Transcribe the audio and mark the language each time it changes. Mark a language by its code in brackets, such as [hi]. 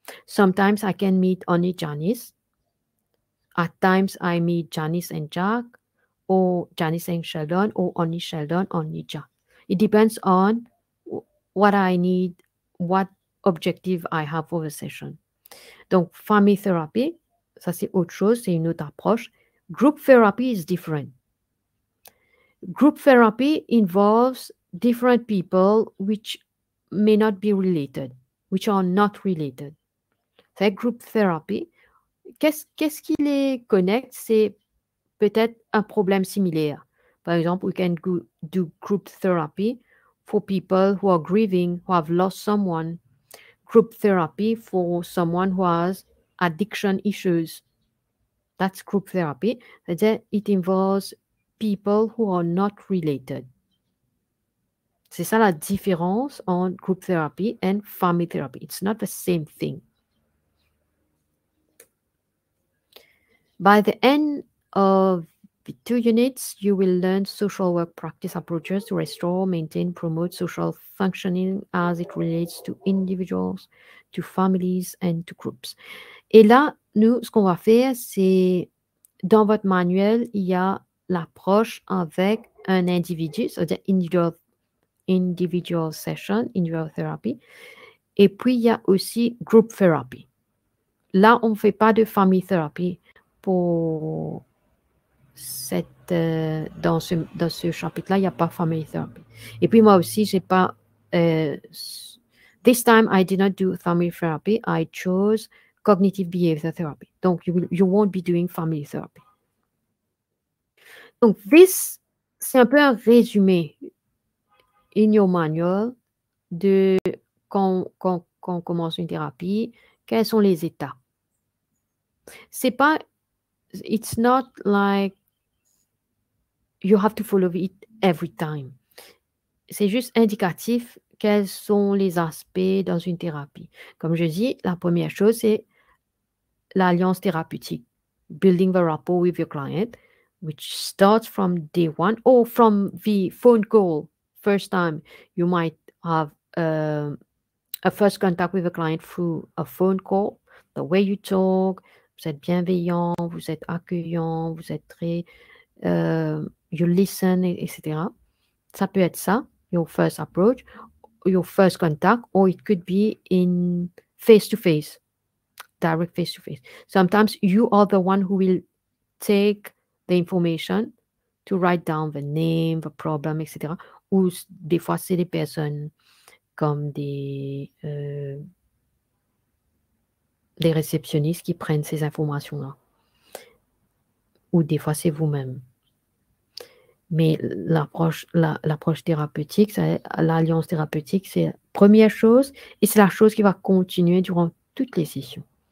[en] Sometimes I can meet only Janice. At times I meet Janice and Jack, or Janice and Sheldon, or only Sheldon, only Jack. It depends on what I need, what objective I have for the session. [fr] Donc, family therapy, ça c'est autre chose, c'est une autre approche. [en] Group therapy is different. Group therapy involves different people which may not be related, which are not related. [fr] C'est group therapy. Qu'est-ce qui les connecte? C'est peut-être un problème similaire. Par exemple, [en] we can do group therapy for people who are grieving, who have lost someone, group therapy for someone who has addiction issues. That's group therapy. It involves people who are not related. [fr] C'est ça la différence entre group therapy and family therapy. [en] It's not the same thing. By the end of the two units, you will learn social work practice approaches to restore, maintain, promote social functioning as it relates to individuals, to families, and to groups. [fr] Et là, nous, ce qu'on va faire, c'est dans votre manuel, il y a l'approche avec un individu, c'est-à-dire [en] individual session, individual therapy. [fr] Et puis, il y a aussi group therapy. Là, on ne fait pas de family therapy pour dans ce chapitre-là, il n'y a pas family therapy. Et puis moi aussi, j'ai pas. [en] This time, I did not do family therapy. I chose cognitive behavior therapy. [fr] Donc, [en] you won't be doing family therapy. [fr] Donc, [en] this, [fr] c'est un peu un résumé [en] in your manual [fr] de quand on commence une thérapie, quels sont les états. C'est pas, [en] it's not like you have to follow it every time. [fr] C'est juste indicatif quels sont les aspects dans une thérapie. Comme je dis, la première chose, c'est l'alliance thérapeutique. [en] Building the rapport with your client, which starts from day one or from the phone call. First time, you might have a first contact with a client through a phone call. The way you talk, [fr] vous êtes bienveillant, vous êtes accueillant, vous êtes très, [en] you listen, [fr] etc. Ça peut être ça, [en] your first approach, your first contact, or it could be in face-to-face, direct face-to-face. Sometimes you are the one who will take the information to write down the name, the problem, etc. [fr] Ou des fois, c'est des personnes comme des réceptionnistes qui prennent ces informations-là. Ou des fois, c'est vous-même. Mais l'approche thérapeutique, c'est l'alliance thérapeutique, c'est la première chose et c'est la chose qui va continuer durant toutes les sessions.